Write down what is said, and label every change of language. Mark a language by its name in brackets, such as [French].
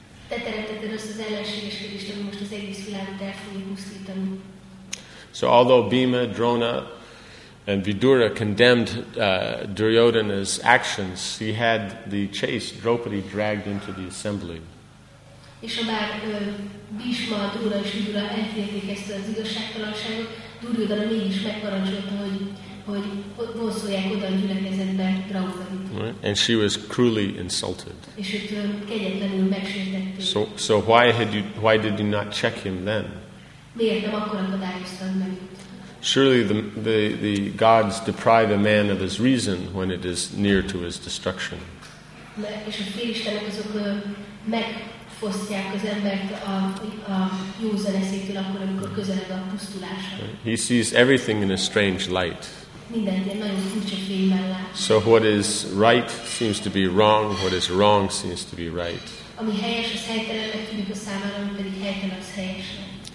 [English] So although Bhima, Drona, and Vidura condemned Duryodhana's actions, he had the chase, Draupadi, dragged into the assembly. [Hungarian] És ha már Bhishma, Drona és Vidura elfélték ezt az igazságtalanságot, Duryodhana mégis megparancsolta, hogy vonszolják oda a gyülekezetbe Draupadit. [English] And she was cruelly insulted. [Hungarian] És őt kegyetlenül megsértették. [English] So why did you not check him then? [Hungarian] Miért nem akkor akadályoztad meg őt? [English] Surely the gods deprive a man of his reason when it is near to his destruction. [Hungarian] És a félistenek azok megfosztják az embert a jó zeneszéktől akkor, amikor közeleg a pusztulása. [English] He sees everything in a strange light. [Hungarian] Mindent nagyon furcsa fényben lát. [English] So what is right seems to be wrong, what is wrong seems to be right. [Hungarian] Ami helyes, az helytelennek tűnik a számára, ami pedig helytelen, az helyesnek.